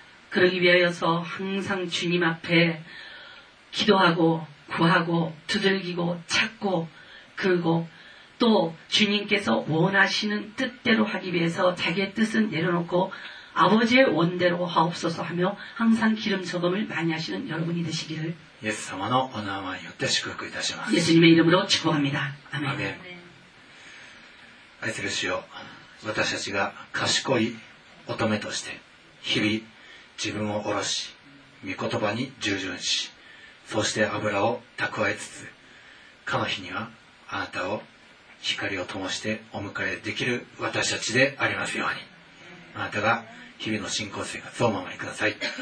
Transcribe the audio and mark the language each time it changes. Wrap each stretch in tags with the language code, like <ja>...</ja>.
<ko>그러기위하여서항상주님앞에기도하고구하고두들기고찾고그리고또주님께서원하시는뜻대로하기위해서자기의뜻은내려놓고아버지의원대로하옵소서하며항상기름저금을많이하시는여러분이되시기를</ko> <ja>예수様のお名前よって祝福いたします</ja> <ko>예수님의이름으로축복합니다아멘</ko> <ja>愛する主よ私たちが賢い乙女として日々自分を下ろし御言葉に従順しそして油を蓄えつつかの日にはあなたを光を灯してお迎えできる私たちでありますようにあなたが日々の信仰生活をお守りください</ja>